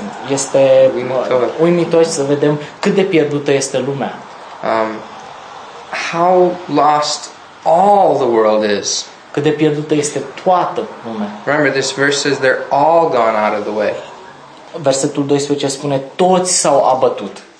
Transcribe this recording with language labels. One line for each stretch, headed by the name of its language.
Romanian: Este uimitor să vedem cât de pierdută este lumea.
English: How lost all the world is.
Romanian: Cât de pierdută este toată lumea.
English: Remember, this verse says they're all gone out of the way.
Romanian: Versetul 12 spune toți s-au abătut.